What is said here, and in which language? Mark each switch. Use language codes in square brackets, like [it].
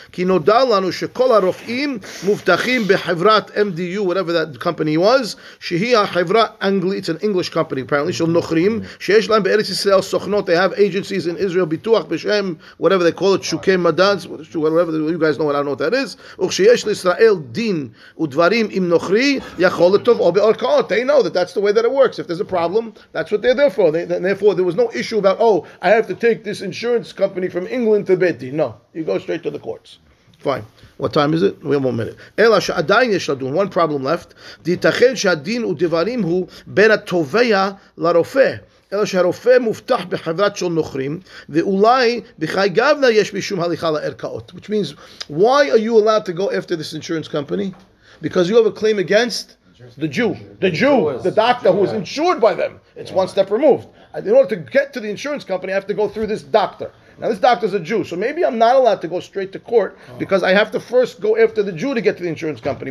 [he] Ki noda lanu shekol harof'im muftachim b'chevrat MDU, [en] whatever that company was, [he] shehi ha'chevra angli, [en] it's an English company apparently, [he] shel nochrim, sheyesh lam be'eretz Yisrael sochnot, [en] they have agencies in Israel, [he] bituach b'shem, [en] whatever they call it, [he] shukei madans, [en] whatever, you guys know what, I don't know what that is. [he] וכשיש לישראל דין ודברים עם נוכרי יכול לטוב או בערכאות. [en] They know that that's the way that it works. If there's a problem, that's what they're there for. Therefore, there was no issue about, oh, I have to take this insurance company from England to Beti. No, you go straight to the courts. Fine. What time is it? We have 1 minute. [he] אלא שעדיין יש לדון. [en] One problem left. [he] דיתכן שהדין ודברים הוא בין התובע לרופא. אלא שהרופא מובטח בחברת של נוכרים, ואולי בחי גבנה יש משום הליכה לערכאות. [en] Which means, why are you allowed to go after this insurance company? Because you have a claim against The Jew, the doctor who is insured by them. It's one step removed. In order to get to the insurance company, I have to go through this doctor. Now, this doctor's a Jew, so maybe I'm not allowed to go straight to court because I have to first go after the Jew to get to the insurance company.